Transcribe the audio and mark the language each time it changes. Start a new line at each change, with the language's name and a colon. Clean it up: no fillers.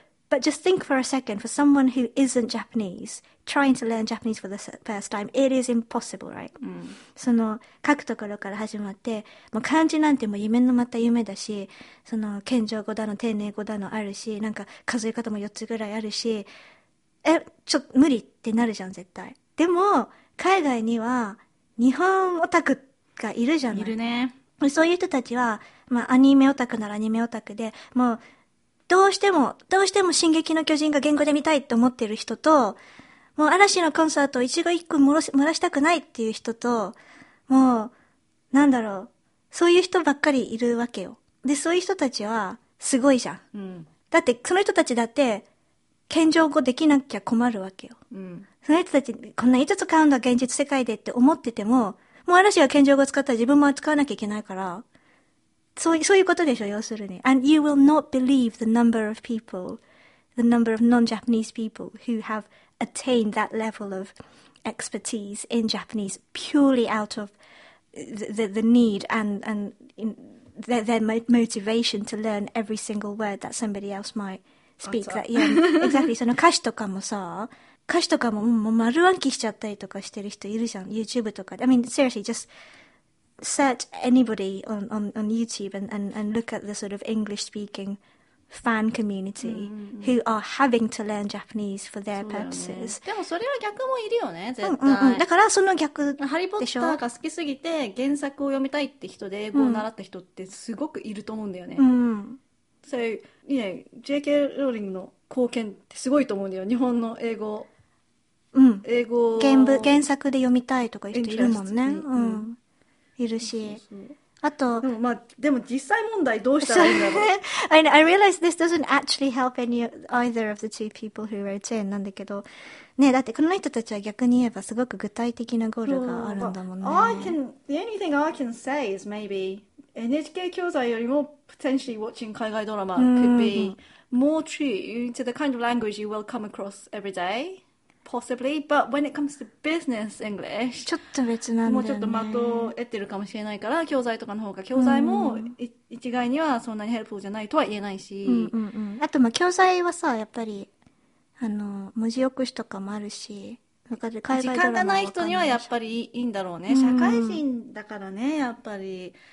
English: But just think for a second for someone who isn't JapaneseTrying to learn Japanese for the first time, it is impossible, right?、
Japanese: うん、その書くところから始まって、もう漢字なんてもう夢のまた夢だし、その謙譲語だの丁寧語だのあるし、なんか数え方も4つぐらいあるし、え、ちょっと無理ってなるじゃん絶対。でも海外には日本オタクがいるじゃない。いるね。そういう人たちは、まあアニメオタクならアニメオタクで、もうどうしても進撃の巨人が言語で見たいと思ってる人と。もう嵐のコンサート一語一句漏らしたくないっていう人と、もう、なんだろう、そういう人ばっかりいるわけよ。で、そういう人たちは、すごいじゃん。うん、だって、その人たちだって、謙譲語できなきゃ困るわけよ。うん、その人たち、こんな5つ買うんだ現実世界でって思ってても、もう嵐が謙譲語使ったら自分も扱わなきゃいけないから、そういうことでしょ、要するに。
English: And you will not believe the number of people, the number of non-Japanese people who haveattain that level of expertise in Japanese purely out of the need and their motivation to learn every single word that somebody else might speak. That, yeah, exactly.
Japanese: その歌詞とかもさ、歌詞とかも、もう丸暗記しちゃったりとかしてる人いるじゃん。
English: YouTube
Japanese: とかで。
English: I mean, seriously, just search anybody on YouTube and look at the sort of English speaking. Fan community who are having to learn Japanese for their purposes.、
Japanese: ね、でもそれは逆もいるよね、絶対。うんうんうん、だからその逆ハリー・ポッターが好きすぎて原作を読みたいって人で英語を習った人ってすごくいると思うんだよね。うん、そういう、J.K. ローリングの貢献ってすごいと思うんだよ。日本の英語、うん、英語原作で読みたいとか言ってるもんね。うんうん、いるし。そうそうそう、あと、でもまあ、でも実際問題どうしたらいいんだろう。
English: I realize this doesn't actually help either of the two people who wrote in
Japanese: なんだけど、ね、だってこの人たちは逆に言えばすごく具体的なゴールがあるんだもんね。
English: Well, I can, the only thing I can say is maybe NHK
Japanese: 教材よりも
English: potentially watching
Japanese: 海外ドラマ
English: could be more true to the kind of language you will come across every day. Possibly, but when it comes to business English,
Japanese: ちょっと別なんだよね。もうちょっと的を得てるかもしれないから、教材とかの方が、教材も、うん、一概にはそんなにヘルプじゃないとは言えないし。うんうんうん、あと、まあ教材はさ、やっぱり、文字起こしとかもあるし、わかる。時間がない人にはやっぱりいいんだろうね。うん、社会人だからね、やっぱり。